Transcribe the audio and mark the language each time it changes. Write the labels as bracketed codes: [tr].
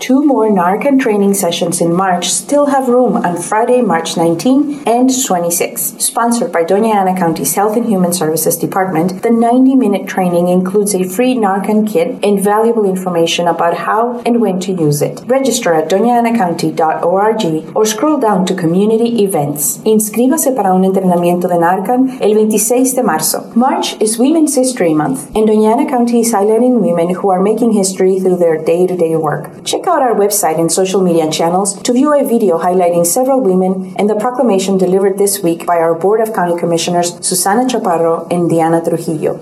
[en] Two more Narcan training sessions in March still have room on Friday, March 19 and 26. Sponsored by Doñana County's Health and Human Services Department, the 90-minute training includes a free Narcan kit and valuable information about how and when to use it. Register at doñanacounty.org or scroll down to Community Events. [es] Inscríbase para un entrenamiento de Narcan el 26 de marzo. [en] March is Women's History Month, and Doñana County is highlighting women who are making history through their day-to-day work. Check out our website and social media channels to view a video highlighting several women and the proclamation delivered this week by our Board of County Commissioners, Susana Chaparro and Diana Trujillo.